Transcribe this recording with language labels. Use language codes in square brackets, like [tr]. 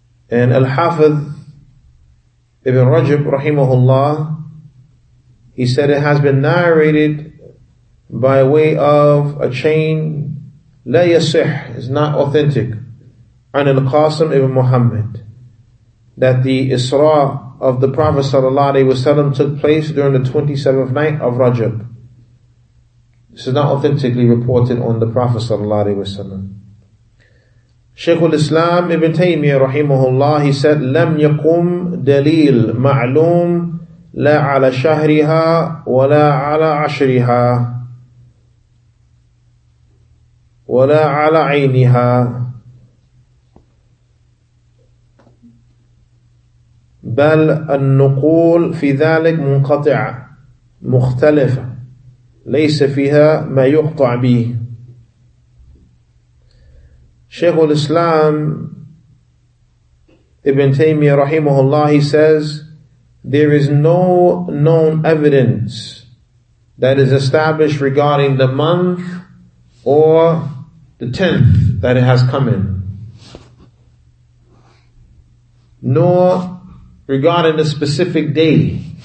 [en] And Al-Hafidh Ibn Rajab, rahimahullah, he said it has been narrated by way of a chain, [ar] لا يصح, [en] is not authentic, [ar] عن القاسم ابن محمد, [en] that the Isra of the Prophet sallallahu alaihi wasallam took place during the 27th night of Rajab. This is not authentically reported on the Prophet sallallahu alaihi wasallam. Shaykh al-Islam Ibn Taymiyyah rahimahullah, he said, [ar] لم يقوم دليل معلوم لا على شهرها ولا على عشرها ولا على عينها. بل النقول في ذلك منقطع مختلف ليس فيها ما يقطع به. [en] Shaykh al-Islam Ibn Taymiyyah rahimahullah, he says, there is no known evidence that is established regarding the month or the 10th that it has come in, nor regarding the specific day.